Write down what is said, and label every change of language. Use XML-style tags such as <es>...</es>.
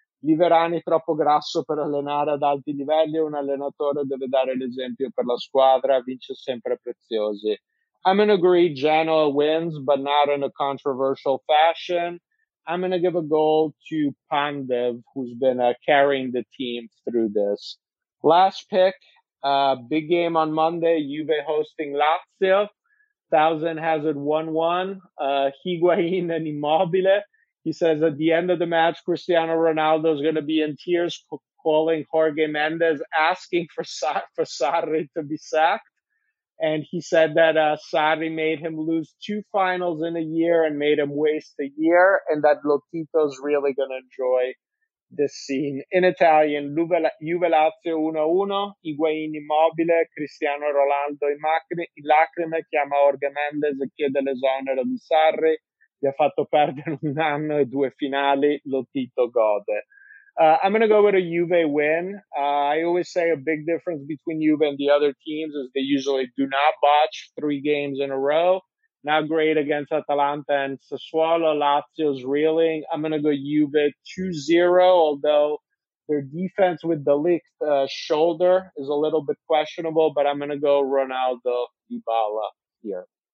<it>Liverani troppo grasso per allenare ad alti livelli, un allenatore deve dare l'esempio per la squadra, vince sempre Preziosi.</it> <en>I'm gonna agree Genoa wins, but not in a controversial fashion. I'm going to give a goal to Pandev, who's been carrying the team through this. Last pick, big game on Monday, Juve hosting Lazio. 1,000 has it 1-1. Higuain and Immobile. He says at the end of the match, Cristiano Ronaldo is going to be in tears, calling Jorge Mendes, asking for Sarri to be sacked. And he said that Sarri made him lose two finals in a year and made him waste a year, and that Lotito's really going to enjoy this scene.</en> <it>In Italian, Juve Lazio 1-1, Higuain Immobile, Cristiano Ronaldo in lacrime, chiama Jorge Mendes e chiede l'esonero di Sarri, gli ha fatto perdere un anno e due finali, Lotito gode.</it> <en>I'm going to go with a Juve win. I always say a big difference between Juve and the other teams is they usually do not botch three games in a row. Not great against Atalanta and Sassuolo. Lazio's reeling. I'm going to go Juve 2-0, although their defense with De Ligt shoulder is a little bit questionable, but I'm going to go Ronaldo Dybala here.</en>